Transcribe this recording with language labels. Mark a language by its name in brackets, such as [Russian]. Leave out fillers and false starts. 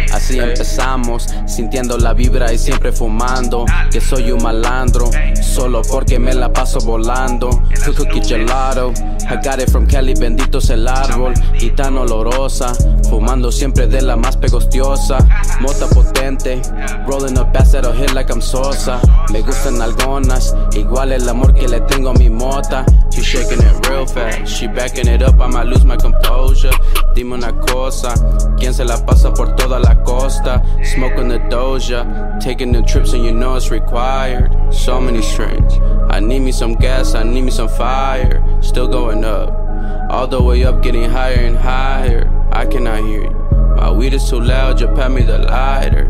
[Spanish] Así empezamos, sintiendo la vibra y siempre fumando. Que soy un malandro, solo porque me la paso volando. [English] Cookie gelato, I got it from Kelly, [Spanish] bendito es el árbol. Y tan olorosa, fumando siempre de la más pegostiosa. Mota potente, [English] rolling up ass that'll hit like I'm Sosa. [Spanish] Me gustan algunas, igual el amor que le tengo a mi mota. [English] She shaking it real fast, she backing it up, I'ma lose my composure. [Spanish] Dime una cosa, ¿quién se la pasa por toda la costa? [English] Smoking the doja, taking the trips and you know it's required. So many strings, I need me some gas, I need me some fire. Still going up, all the way up, getting higher and higher. I cannot hear you, my weed is too loud, just pass me the lighter.